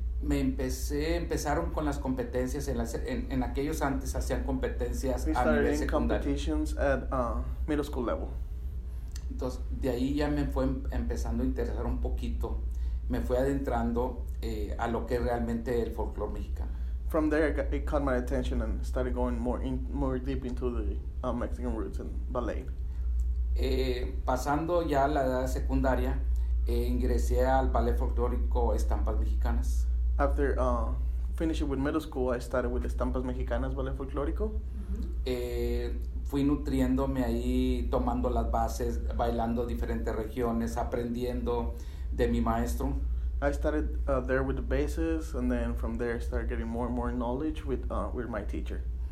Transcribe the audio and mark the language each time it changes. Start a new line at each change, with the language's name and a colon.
Spanish: Empezaron con las competencias en aquellos antes hacían competencias a nivel secundario.
English: We started competitions at middle school level.
Spanish: Entonces, de ahí ya me fue empezando a interesar un poquito. Me fue adentrando a lo que es realmente el folclore mexicano.
English: From there, it caught my attention and started going more deep into the Mexican roots and ballet.
Spanish: Pasando ya a la edad secundaria, ingresé al ballet folclórico Estampas Mexicanas.
English: After finishing with middle school, I started with Estampas Mexicanas Ballet Folclórico. Mm-hmm.
Spanish: Fui nutriéndome ahí, tomando las bases, bailando diferentes regiones, aprendiendo de mi maestro.
English: I started there with the bases, and then from there started getting more and more knowledge with my teacher.